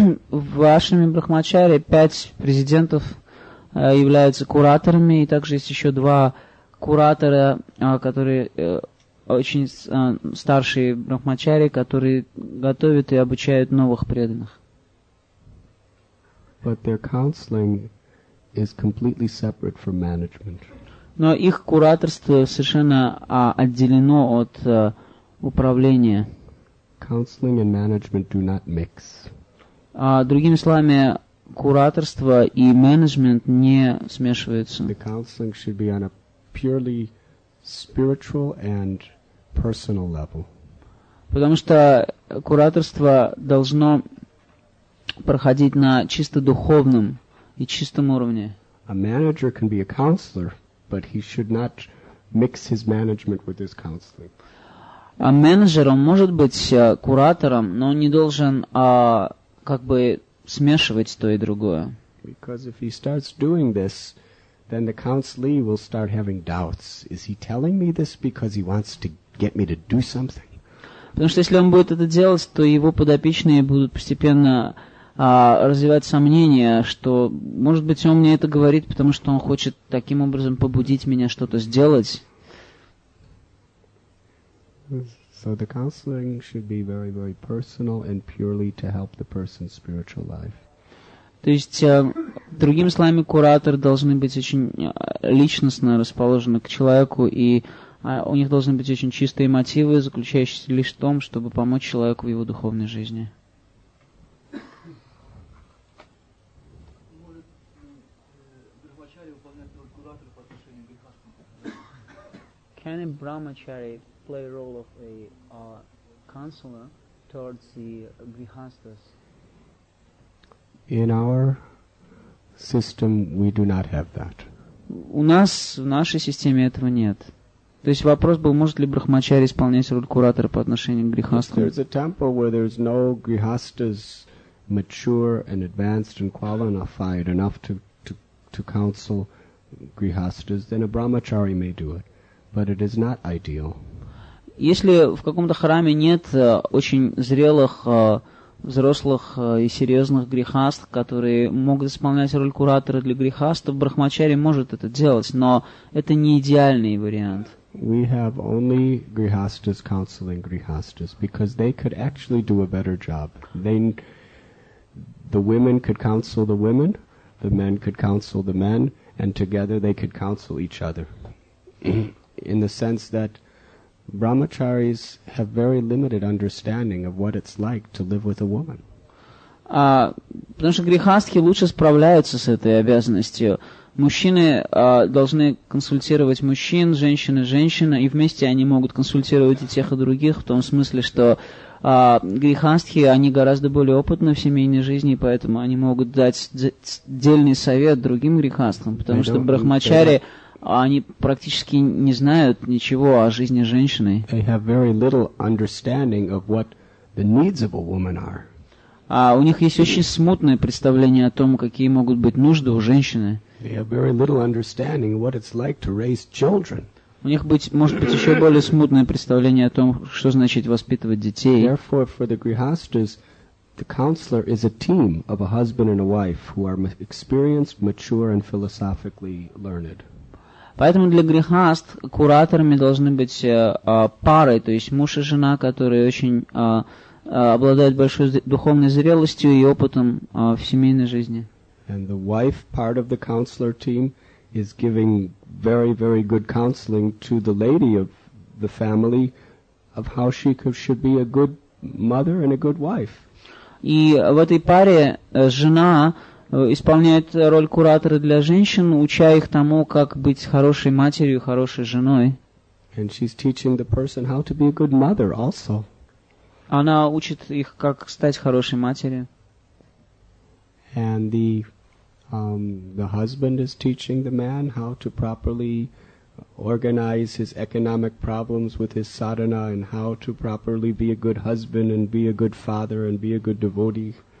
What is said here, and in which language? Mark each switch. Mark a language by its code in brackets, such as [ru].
[ru] Вашими брахмачари 5 президентов являются кураторами, и также есть еще 2 кураторы, которые очень старшие брахмачари, которые готовят и обучают новых преданных. [en] But their counseling is completely separate from management. [ru] Но их кураторство совершенно отделено от управления. [en] Counseling and management do not mix. [ru] Другими словами, кураторство и менеджмент не смешиваются. [en] The counseling should be on a purely spiritual and personal level. [ru] Потому что кураторство должно проходить на чисто духовном и чистом уровне. [en] A manager can be a counselor, but he should not mix his management with his counseling. [ru] А менеджер, он может быть куратором, но он не должен как бы смешивать то и другое. [en] Because if he starts doing this, then the counselee will start having doubts. Is he telling me this because he wants to get me to do something? [ru] Потому что если он будет это делать, то его подопечные будут постепенно развивать сомнения, что, может быть, он мне это говорит, потому что он хочет таким образом побудить меня что-то сделать. [en] So the counseling should be very, very personal and purely to help the person's spiritual life. [ru] То есть, другими словами, кураторы должны быть очень личностно расположены к человеку, и у них должны быть очень чистые мотивы, заключающиеся лишь в том, чтобы помочь человеку в его духовной жизни. [en] Can a brahmachari play role of a counselor towards the grihasthas? In our system, we do not have that. [ru] У нас в нашей системе этого нет. То есть вопрос был, может ли брахмачари исполнять роль куратора по отношению к грихастам? [en] There is a temple where there is no grihastas mature and advanced and qualified enough to counsel grihastas, then a brahmachari may do it, but it is not ideal. [ru] Если в каком-то храме нет очень зрелых взрослых и серьезных грехаст, которые могут исполнять роль куратора для грехаст, то брахмачари может это делать, но это не идеальный вариант. [en] We have only grihastas counseling grihastas because they could actually do a better job. The women could counsel the women, the men could counsel the men, and together they could counsel each other. In the sense that brahmacharis have very limited understanding of what it's like to live with a woman. [ru] Потому что грихастки лучше справляются с этой обязанностью. Мужчины должны консультировать мужчин, женщины женщин, и вместе они могут консультировать и тех, и других, в том смысле, что грихастки, они гораздо более опытны в семейной жизни, поэтому они могут дать дельный совет другим грихасткам, потому что брахмачари они практически не знают ничего о жизни женщины. [en] They have very little understanding of what the needs of a woman are. [ru] А у них есть очень смутное представление о том, какие могут быть нужды у женщины. [en] They have very little understanding of what it's like to raise children. [ru] У них быть, может быть, еще более смутное представление о том, что значит воспитывать детей. [en] Therefore, for the grihasthas, the counselor is a team of a husband and a wife who are experienced, mature, and philosophically learned. [ru] Поэтому для грехаст кураторами должны быть пары, то есть муж и жена, которые очень обладают большой духовной зрелостью и опытом в семейной жизни. [en] And the wife part of the counselor team is giving very, very good counseling to the lady of the family of how she should be a good mother and a good wife. [ru] И в этой паре жена исполняет роль куратора для женщин, уча их тому, как быть хорошей матерью, хорошей женой. [en] And she's teaching the person how to be a good mother also. [ru] Она учит их, как стать хорошей матерью. [en] And the husband is teaching the man how to properly organize his economic problems with his sadhana and how to properly be a good husband and be a good father and be a good devotee.